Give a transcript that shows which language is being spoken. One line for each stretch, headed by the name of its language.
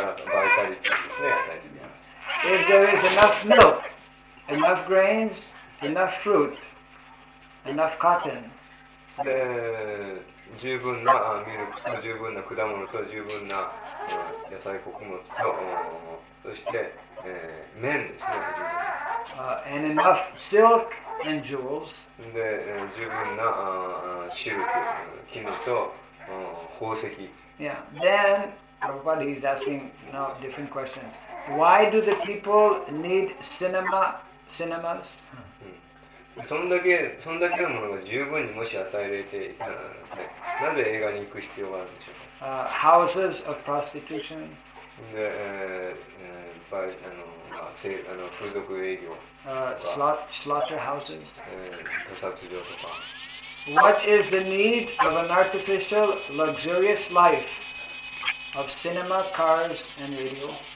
English: If there is enough milk, enough grains, enough fruit, enough cotton,
Japanese: で十分なミルクと十分な果物と十分な野菜穀物とそして綿ですね。
English: And enough silk and jewels.
Japanese: で十分なシルク、金と宝石。
English: Yeah. Then, Prabhupada is asking now different questions. Why do the people need cinemas?
Japanese: そんだけのものが十分にもし与えられていたので、なぜ映画に行く必要があるんでしょうか。
English: Houses of prostitution.
Japanese: で、風俗営業。
English: Slaughterhouses.
Japanese: 屠殺場とか。
English: What is the need of an artificial, luxurious life of cinema, cars, and radio?